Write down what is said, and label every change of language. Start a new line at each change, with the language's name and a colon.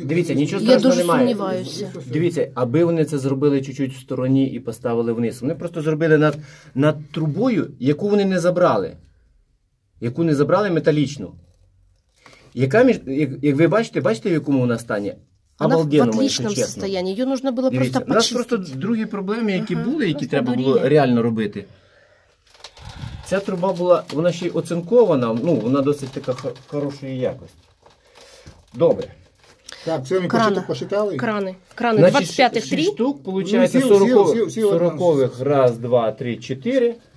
Ukrainian: Дивіться, нічого страшного немає. Я дуже сумніваюся. Дивіться, аби вони це зробили чуть-чуть в стороні і поставили вниз. Вони просто зробили над трубою, яку вони не забрали. Яку не забрали металічну. Яка, як ви бачите, в якому вона стані?
Russian: Вона в отличному состоянии. Ее нужно было просто почистить.
Ukrainian: У нас просто другі проблеми, які були, які треба було реально робити. Ця труба була, вона ще й оцинкована, ну, вона досить така хорошої якості. Добре. Так, це ми посчитали? Крани. 25-х 3. 6 штук, получається, 40-х. Раз, два, три, чотири.